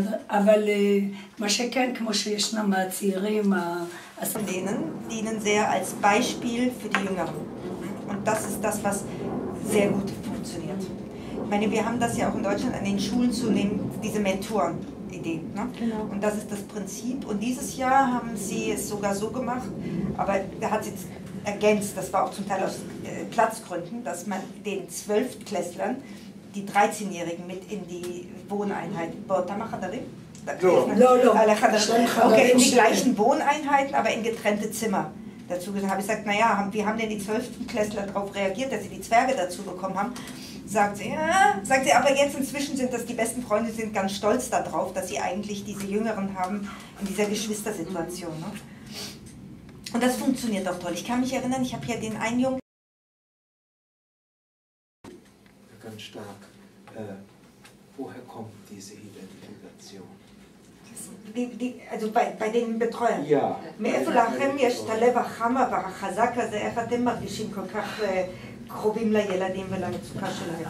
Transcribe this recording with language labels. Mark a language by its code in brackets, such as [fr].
[he] אבל מה שכן, כמו שישנה מהצעירים... [de] Denen dienen sehr als Beispiel für die Jüngeren. Und das ist das, was sehr gut funktioniert. Ich meine, wir haben das ja auch in Deutschland an den Schulen zunehmend, diese Mentoren-Idee. Ne? Genau. Und das ist das Prinzip. Und dieses Jahr haben sie es sogar so gemacht, aber da hat sie es ergänzt, das war auch zum Teil aus Platzgründen, dass man den 12-Klässlern die 13-Jährigen mit in die Wohneinheit Botamachadarim. Okay, in die gleichen Wohneinheiten, aber in getrennte Zimmer. Dazu habe ich gesagt, naja, wie haben denn die 12. Klässler darauf reagiert, dass sie die Zwerge dazu bekommen haben? Sagt sie, aber jetzt inzwischen sind das die besten Freunde, sind ganz stolz darauf, dass sie eigentlich diese Jüngeren haben in dieser Geschwistersituation. Ne? Und das funktioniert auch toll. Ich kann mich erinnern, ich habe hier den einen Jungen. Ganz stark. Woher kommt diese Identifikation? Also bei den Betreuern. Ja. [he] מאיפה לכם יש את הלב החם והחזק הזה, איך אתם מרגישים כל כך קרובים לילדים ולמצוקה שלהם?